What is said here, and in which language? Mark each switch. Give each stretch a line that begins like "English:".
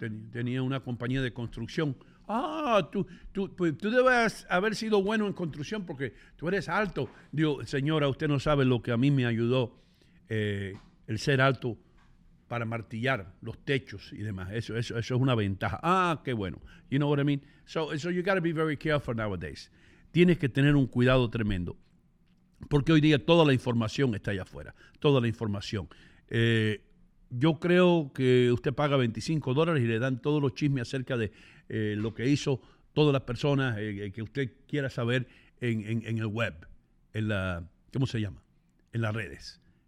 Spanish: Tenía una compañía de construcción. Ah, tú debes haber sido bueno en construcción porque tú eres alto. Digo, señora, usted no sabe lo que a mí me ayudó el ser alto para martillar los techos y demás. Eso es una ventaja. Ah, qué bueno.
English: You know what I mean? So you got to be very careful nowadays.
Spanish: Tienes que tener un cuidado tremendo porque hoy día toda la información está allá afuera. Toda la información. Yo creo que usted paga $25 y le dan todos los chismes acerca de lo que hizo todas las personas que usted quiera saber en el web, en la, ¿cómo se llama? En las redes.